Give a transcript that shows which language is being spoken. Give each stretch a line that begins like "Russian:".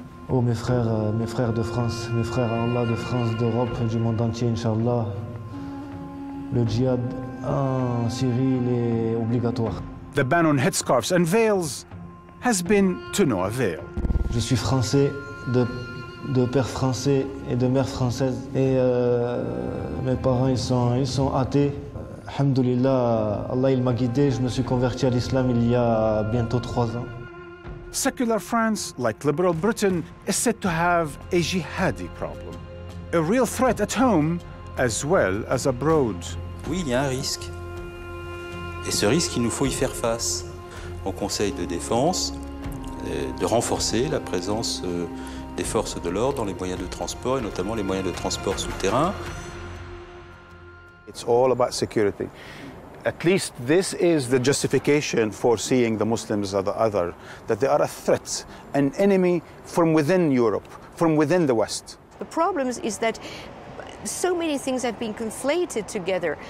French: Oh, mes frères de France, mes frères en Allah de France, d'Europe, du monde entier, inshallah. Le djihad en Syrie est obligatoire.
English: The ban on headscarves and veils has been to no avail.
French: Je suis français de père français et de mère française. Et mes parents, ils sont athées. Alhamdoulilah, Allah, il m'a guidé. Je me suis converti à l'islam il y a bientôt 3 ans.
English: Secular France, like liberal Britain, is said to have a jihadi problem. A real threat at home as well as abroad.
French: Oui, il y a un risque. Et ce risque, il nous faut y faire face. Au Conseil de défense, de renforcer la présence des forces de l'ordre dans les moyens de transport, et notamment les moyens de transport souterrains.
English: It's all about security. At least this is the justification for seeing the Muslims as the other, that they are a threat, an enemy from within Europe, from within the West. The problem is that so many things have been conflated together.